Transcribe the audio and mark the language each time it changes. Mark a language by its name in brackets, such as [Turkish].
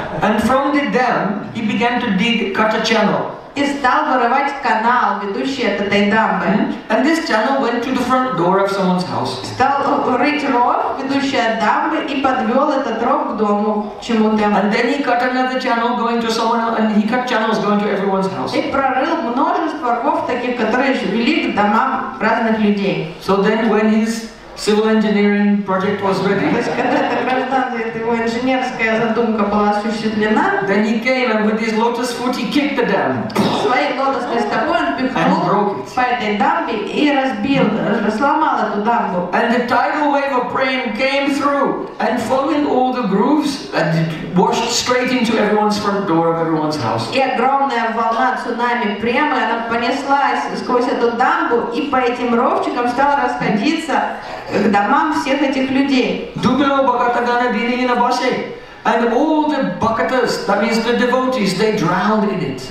[English] And from the dam, he began to dig, cut a channel. [Russian] И стал вырывать канал, ведущий от этой дамбы. [English] And this channel went to the front door of someone's house. [Russian] Стал рыть ров, ведущий от дамбы, и подвел этот ров к дому, чему-то. [English] And then he cut another channel going to someone else, and he cut channels going to everyone's house. [Russian] И прорыл множество ров таких, которые вели к домам разных людей. [English] So then when his civil engineering project was ready. [Russian] То есть когда эта гражданская его инженерская задумка была осуществлена. [English] Then he came and with his lotus foot he kicked the dam. [Russian] Своей лотосной стопой он пихнул по этой дамбе и разбил, сломал эту дамбу. [English] And the tidal wave of praying came through and filling all the grooves and it washed straight into everyone's front door of everyone's house. [Russian] И огромная волна цунами прямо она понеслась сквозь эту дамбу и по этим ровчикам стала расходиться. К домам всех этих людей. [Bangla] Дубило Бхаката Гана Динина Баши. [English] And all the Бхакатас, that means the devotees, they drowned in it.